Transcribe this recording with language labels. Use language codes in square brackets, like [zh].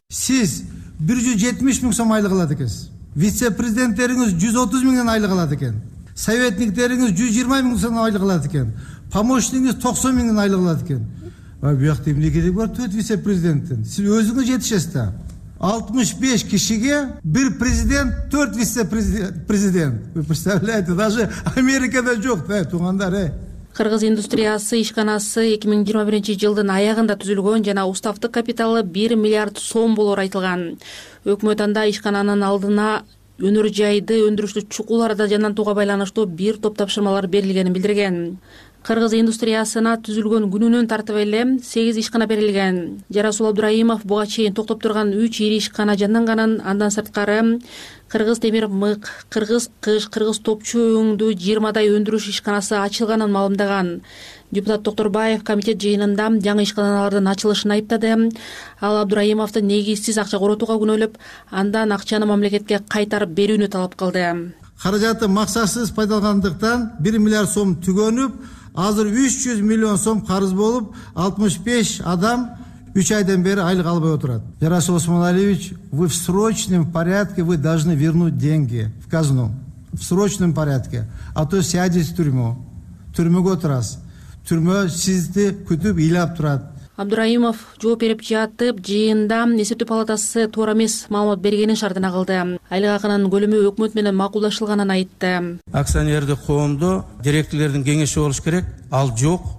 [ky] Сиз 170 000 сом айлык алат экенсиз. Вице президенттериңиз 130 000 айлык алат экен. Советниктериңиз 120 000 сом айлык алат экен. Помощниктериңиз 90 000 айлык алат экен. А бу жакта эмне керек бар? 4 вице президенттин. Сиз өзүңүз жетишесиз да. 65 кишиге бир президент, 4 вице президент. [ru] Вы представляете, даже [ky] Америкада жок, туугандар, Кыргыз индустриясы ишканасы 2021 жылдын аягында түзүлгөн жана уставтык капиталы 1 миллиард сом болор айтылган. Өкмөт анда ишкананын алдына өнөр жайды өндүрүштү чукул арада жандантууга байланыштуу бир топ тапшырмалар берилгенин билдирген. Кыргыз индустриясына түзүлгөн күнүнөн тартып эле 8 ишкана берилген. Жарасул Абдыраимов буга чейин токтоп турган 3 ири ишкана жанданганын, андан сырткары Кыргыз темир мык, кыргыз кыш, кыргыз топчу өңдүү 20 өндүрүш ишканасы ачылганын маалымдаган. Депутат Токторбаев комитет жыйынында жаңы ишканалардын ачылышын айыптады. Ал Абдыраимовду негизсиз акча коротууга күнөлөп, андан акчаны мамлекетке кайтарып берүүнү талап кылды. Каражатты максатсыз пайдаланганыктан 1 миллиард сом түгөнүп, азыр 300 миллион сом карыз болуп, 65 адам 3 айдан бери айлык албай отурат. [ru] Жарасул Осмоналиевич, вы в срочном порядке вы должны вернуть деньги в казну. В срочном порядке. А то сядете в тюрьму. [ky] Тюрьмөгө отурасыз. Түрмө сизди күтүп ыйлап турат. Абдыраимов жооп берип жатып, жыйында эсептөө палатасы туура эмес маалымат бергенин шартына кылды. Айлык акынын көлөмү өкмөт менен макулдашылганын айтты. Акционердик коомдо директорлордун кеңеши болуш керек, ал жок.